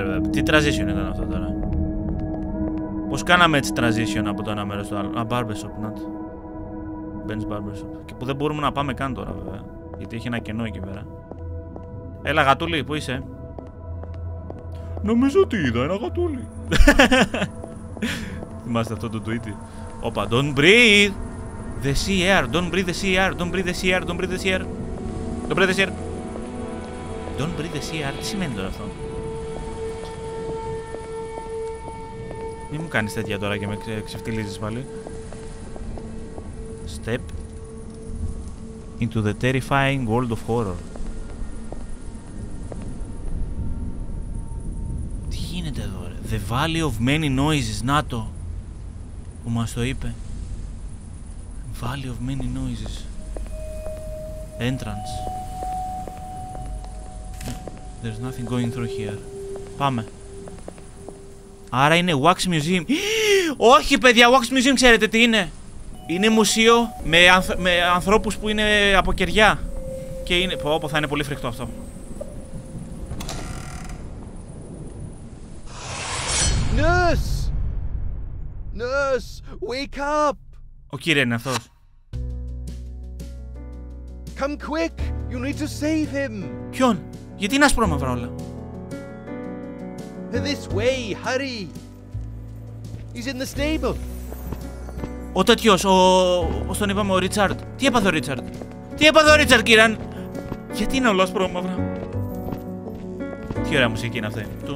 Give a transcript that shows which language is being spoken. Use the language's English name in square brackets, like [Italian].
[Greek] Τι transition ήταν αυτό τώρα. Πώς κάναμε έτσι transition από το ένα μέρος στο άλλο. Α, [English] barbershop, not. [Greek] Ben's Barbershop. Και που δεν μπορούμε να πάμε καν τώρα, βέβαια. Γιατί έχει ένα κενό εκεί πέρα. Έλα, γατούλη, πού είσαι? Νομίζω ότι είδα ένα γατούλη. Θυμάστε αυτό το tweet. [English] Όπα, don't breathe the sea air. Don't breathe the sea air. Don't breathe the sea air. Don't breathe the sea air. Don't breathe the sea air. Don't breathe the sea air. [Greek] Τι σημαίνει τώρα αυτό? Μην μου κάνεις τέτοια τώρα και με ξεφτυλίζεις πάλι. [English] Step into the terrifying world of horror. [Greek] Τι γίνεται εδώ, ρε? [English] The Valley of Many Noises, [Greek] νάτο που μας το είπε. [English] Valley of Many Noises. Entrance. There's nothing going through here. [Greek] Πάμε. Άρα είναι Wax Museum. Όχι, παιδιά, Wax Museum ξέρετε τι είναι. Είναι μουσείο με ανθρώπους που είναι από κεριά. Και είναι... Πω, θα είναι πολύ φρικτό αυτό. [English] Nurse! Nurse, wake up! [Greek] Ο κύριε είναι αυτός. [English] Come quick, you need to save him! [Greek] Ποιον? Γιατί είναι άσπρο μαύρα όλα? [English] This way, hurry. He's in the stable. [Greek] Ο τέτοιος, ο... Πώς τον είπαμε, ο Ρίτσαρντ. Τι έπαθε ο Ρίτσαρντ. Τι έπαθε ο Ρίτσαρντ, Κίραν. Γιατί είναι ολόσπρο μαύρα. Τι ωραία μουσική είναι αυτή.